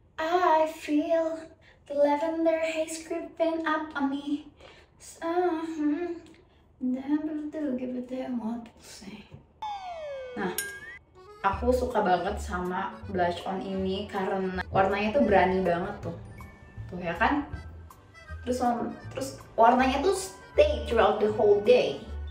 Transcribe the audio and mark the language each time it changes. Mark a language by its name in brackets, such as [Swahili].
[English] I feel the lavender haze creeping up on me. So, never to give it them what to say. [Indonesian] Nah, aku suka banget sama blush on ini karena warnanya tuh berani banget tuh. Tuh ya kan? Terus warnanya tuh [English] stay throughout the whole day.